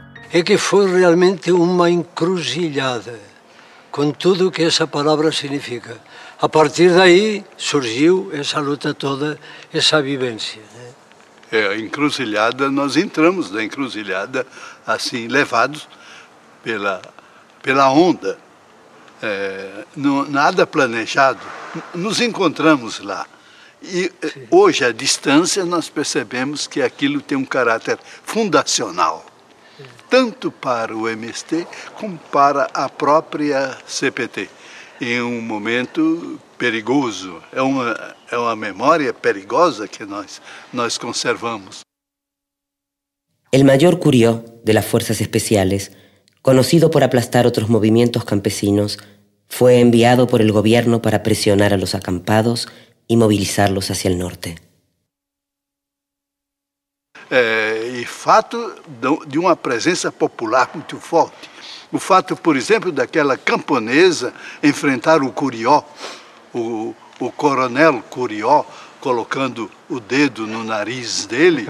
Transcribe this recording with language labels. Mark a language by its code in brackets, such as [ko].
[es] Es que fue realmente una encrucijada, [pt] com tudo o que essa palavra significa. A partir daí surgiu essa luta toda, essa vivência. Né? A encruzilhada, nós entramos na encruzilhada, assim, levados pela pela onda, nada planejado, nos encontramos lá. E hoje, à distância, nós percebemos que aquilo tem um caráter fundacional, tanto para o MST como para a própria CPT, em um momento perigoso. É uma memória perigosa que nós conservamos. [es] El Mayor Curió, de las Fuerzas Especiales, conocido por aplastar otros movimientos campesinos, fue enviado por el gobierno para presionar a los acampados y movilizarlos hacia el norte. [pt] E fato de uma presença popular muito forte. O fato, por exemplo, daquela camponesa enfrentar o Curió, o coronel Curió, colocando o dedo no nariz dele.